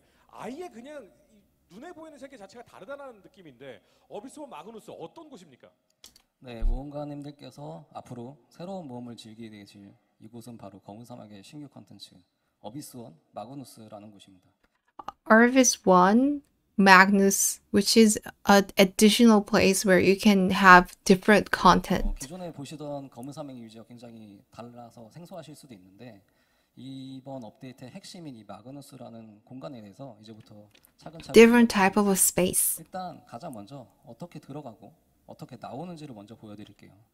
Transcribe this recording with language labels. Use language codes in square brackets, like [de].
[ko] 아예 그냥 눈에 보이는 세계 자체가 다르다는 느낌인데 어비스 마그누스 어떤 곳입니까? 네, 모험가님들께서 앞으로 새로운 모험을 즐기게 되실 이곳은 바로 검은 사막의 신규 콘텐츠 어비스원 마그누스라는 곳입니다. [en] Orvis One Magnus, which is an additional place where you can have different content. [ko] 기존에 보시던 검은 사막 유지가 굉장히 달라서 생소하실 수도 있는데 이번 업데이트의 핵심인 이 마그누스라는 공간에 대해서 이제부터 차근차근 [en] different type of a space. [ko] 일단 가장 먼저 어떻게 들어가고 어떻게 나오는지를 먼저 보여드릴게요.